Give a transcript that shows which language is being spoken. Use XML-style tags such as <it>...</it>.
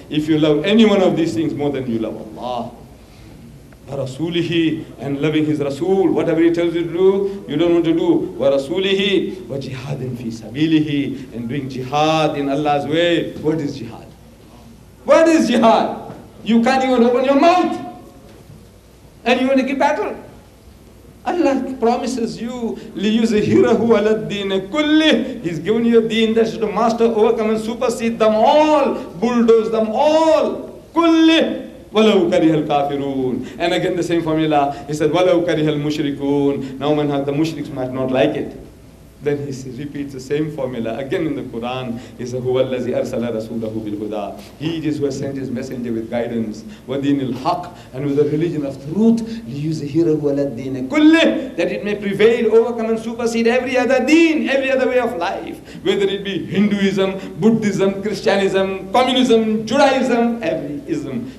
<en>If you love any one of these things more than you love Allah,</en> <ar>وَرَسُولِهِ,</ar> <en>and loving His Rasul, whatever He tells you to do, you don't want to do.</en> <ar>وَرَسُولِهِ وَجِهَادٍ فِي سَبِيلِهِ,</ar> <en>and doing jihad in Allah's way. What is jihad? What is jihad? You can't even open your mouth. And you want to give battle? Allah promises you,</en> <ar>لِيُزِهِرَهُ عَلَى الدِّينَ كُلِّهِ.</ar> <en>He's given you a deen that's to master, overcome, and supersede them all. Bulldoze them all.</en> <ar>كُلِّهِ وَلَوْ كَرِهَ الْكَافِرُونَ.</ar> <en>And again the same formula. He said,</en> <ar>وَلَوْ كَرِهَ الْمُشْرِكُونَ.</ar> <en>Now the mushriks might not like it. Then he repeats the same formula again in the Quran. He says,</en> <ar>هُوَ الَّذِي أَرْسَلَ رَسُولَهُ بِالْهُدَىٰ.</ar> <en>He is who has sent his messenger with guidance,</en> <ar>وَدِينِ الْحَقِّ,</ar> <en>and with the religion of truth,</en> <ar>لِيُزْهِرَهُ عَلَى الدِّينِ كُلِّهِ,</ar> <en>that it may prevail, overcome, and supersede every other deen, every other way of life, whether it be Hinduism, Buddhism, Christianism, Communism, Judaism, every ism.</en>